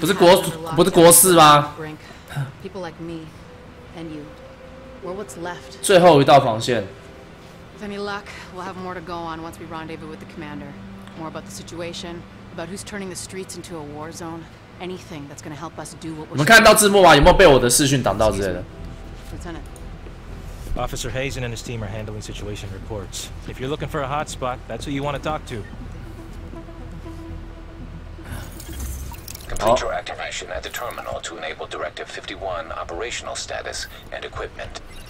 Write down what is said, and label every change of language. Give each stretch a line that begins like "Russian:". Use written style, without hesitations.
Chinese: 不是国事吗？
English: People like me, and you. Or what's left.
Chinese: 最后一道防线。
English: With any luck, we'll have more to go on once we rendezvous with the commander. More about the situation, about who's turning the streets into a war zone. Anything that's going to help us do what we're.
Chinese: 你们看到字幕吗？有没有被我的视讯挡到之类的
English: ？Lieutenant. Officer Hazen and his team are handling situation reports. If you're looking for a hot spot, that's who you want to talk to. Complete your activation at the terminal to enable Directive 51 operational status and equipment.